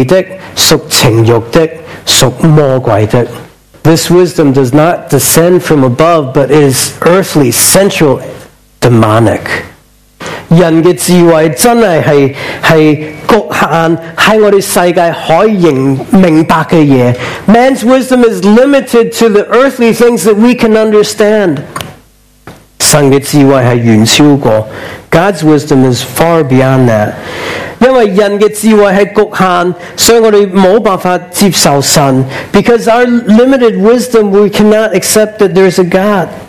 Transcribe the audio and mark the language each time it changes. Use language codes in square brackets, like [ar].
[zh] 这样的智慧不是从上头来的,乃是属地的,属情欲的,属魔鬼的。 [en] This wisdom does not descend from above, but is earthly, sensual, demonic. [zh] 人的智慧真的是局限,是我们世界可以明白的东西。 [en] Man's wisdom is limited to the earthly things that we can understand. [zh] 神的智慧是远超过, [en] God's wisdom is far beyond that. [zh] 因为人的智慧是局限,所以我们没办法接受神。 [en] Because our limited wisdom, we cannot accept that there's a God.